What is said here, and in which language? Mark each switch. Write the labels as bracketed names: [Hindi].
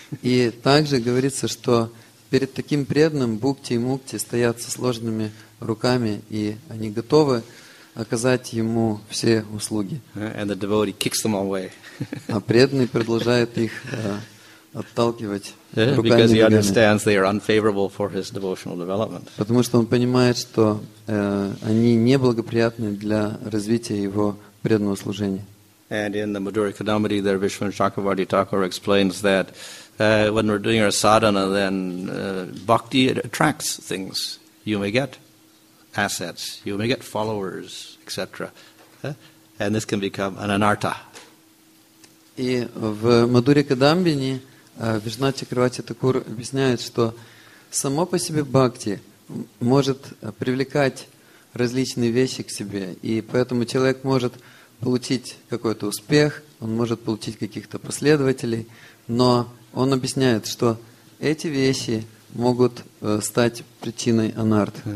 [Russian] И также говорится, что перед таким преданным бхакти и мукти стоят со сложенными руками, и они готовы оказать ему все услуги. [English] And the devotee kicks them away. [Russian] А преданный продолжает их отталкивать руками. [English] Because he understands they are unfavorable for his devotional development. [Russian] Потому что он понимает, что они неблагоприятны для развития его преданного служения. [English] And in the Madhuri Kadambari, there Vishwan Chakravarti Thakur explains that when we're doing our sadhana, then bhakti attracts things. You may get assets, you may get followers, etc. And this can become an anartha. [Russian] И в Мадхури Кадамбини Вишна Чакравати Такур объясняет, что само по себе бхакти может привлекать различные вещи к себе, и поэтому человек может получить какой-то успех, он может получить каких-то последователей, но он объясняет, что эти вещи могут стать причиной анарт.